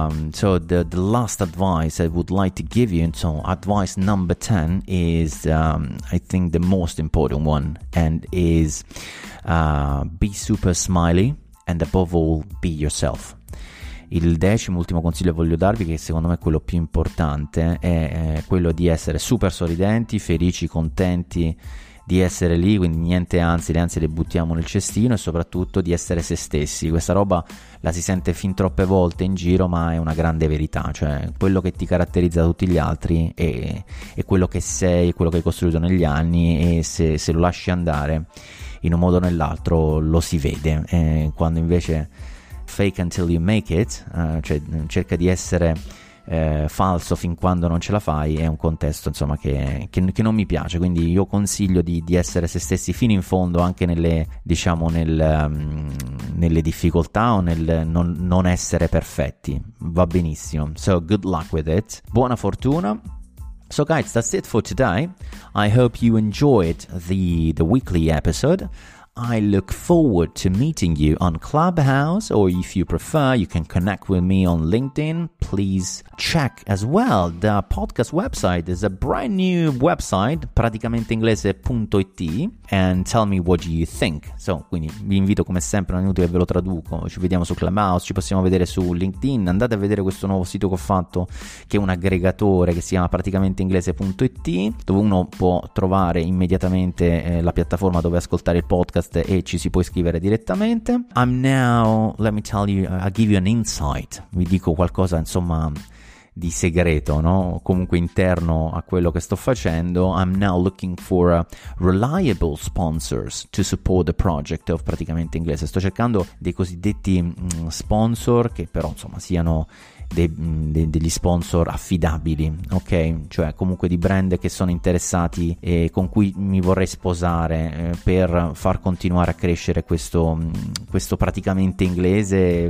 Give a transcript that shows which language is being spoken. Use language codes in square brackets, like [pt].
[en] So the last advice I would like to give you, so advice number 10 is I think the most important one, and is be super smiley and above all be yourself. [it] Il decimo, ultimo consiglio che voglio darvi, che secondo me è quello più importante, è quello di essere super sorridenti, felici, contenti di essere lì, quindi niente ansie, le ansie le buttiamo nel cestino, e soprattutto di essere se stessi. Questa roba la si sente fin troppe volte in giro, ma è una grande verità, cioè quello che ti caratterizza da tutti gli altri è quello che sei, quello che hai costruito negli anni, e se lo lasci andare in un modo o nell'altro lo si vede, quando invece fake until you make it, cioè cerca di essere falso fin quando non ce la fai, è un contesto, insomma, che non mi piace. Quindi io consiglio di essere se stessi fino in fondo, anche nelle, diciamo, nelle difficoltà, o nel non essere perfetti, va benissimo. [en] So good luck with it, buona fortuna. So guys, that's it for today. I hope you enjoyed the weekly episode. I look forward to meeting you on Clubhouse, or if you prefer, you can connect with me on LinkedIn. Please check as well the podcast website. There's a brand new website, praticamenteinglese.it, and tell me what you think. So, quindi vi invito come sempre, non è inutile che ve lo traduco, ci vediamo su Clubhouse, ci possiamo vedere su LinkedIn, andate a vedere questo nuovo sito che ho fatto, che è un aggregatore che si chiama praticamenteinglese.it, dove uno può trovare immediatamente la piattaforma dove ascoltare il podcast e ci si può iscrivere direttamente. [it] I'll give you an insight. Vi dico qualcosa, insomma, di segreto, no? Comunque interno a quello che sto facendo. [en] I'm now looking for reliable sponsors to support the project of Praticamente Inglese. [it] Sto cercando dei cosiddetti sponsor che però, insomma, siano degli sponsor affidabili, ok? Cioè comunque di brand che sono interessati e con cui mi vorrei sposare per far continuare a crescere questo Praticamente Inglese.